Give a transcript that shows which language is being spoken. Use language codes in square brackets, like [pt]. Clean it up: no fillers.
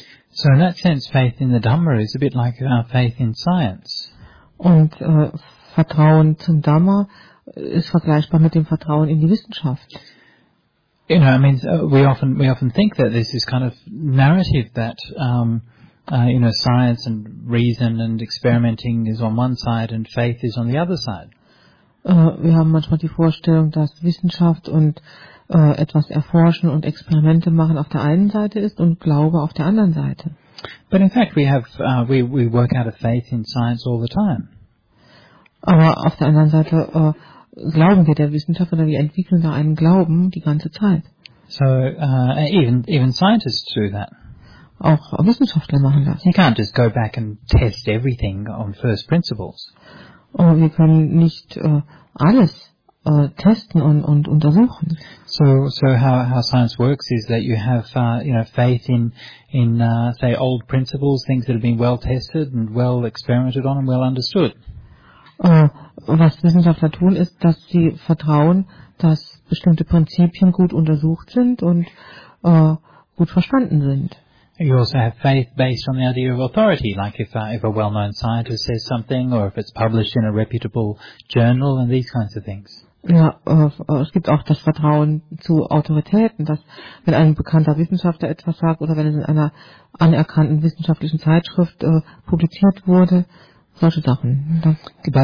[en] So in that sense, faith in the Dhamma is a bit like our faith in science. [de] Und Vertrauen zum Dhamma ist vergleichbar mit dem Vertrauen in die Wissenschaft. [en] You know, I mean, we often think that this is kind of narrative that you know, science and reason and experimenting is on one side and faith is on the other side. [de] Wir haben manchmal die Vorstellung, dass Wissenschaft und etwas erforschen und Experimente machen auf der einen Seite ist und Glaube auf der anderen Seite. [en] But in fact we have we work out of faith in science all the time. [de] Aber auf der anderen Seite glauben wir der Wissenschaft oder wir entwickeln da einen Glauben die ganze Zeit. [en] So even scientists do that. [de] Auch Wissenschaftler machen das. [en] You can't just go back and test everything on first principles. [de] Und wir können nicht alles testen und untersuchen. [en] So how science works is that you have you know, faith in say old principles, things that have been well tested and well experimented on and well understood. [de] Was Wissenschaftler tun ist, dass sie vertrauen, dass bestimmte Prinzipien gut untersucht sind und gut verstanden sind. [en] You also have faith based on the idea of authority, like if a well-known scientist says something, or if it's published in a reputable journal, and these kinds of things. [de] Ja, es gibt auch das Vertrauen zu Autoritäten, dass wenn ein bekannter Wissenschaftler etwas sagt oder wenn es in einer anerkannten wissenschaftlichen Zeitschrift publiziert wurde, solche Sachen, das gibt